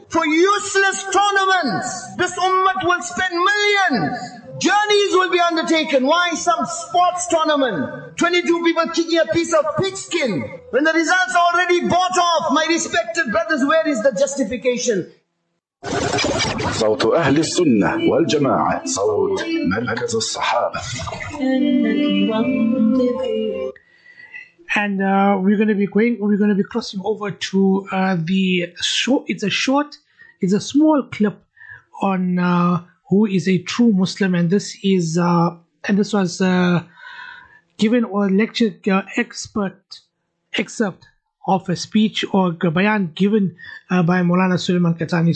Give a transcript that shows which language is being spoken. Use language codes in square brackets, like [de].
[en] For useless tournaments, this ummah will spend millions. Journeys will be undertaken. Why some sports tournament? 22 people kicking a piece of pigskin. When the results are already bought off, my respected brothers, where is the justification? [ar] صوت أهل السنة والجماعة صوت مركز الصحابة. [en] And we're going to be crossing over to the show. It's a small clip on who is a true Muslim, and this was given a lecture excerpt of a speech or bayan given by Maulana Sulaiman Qahtani.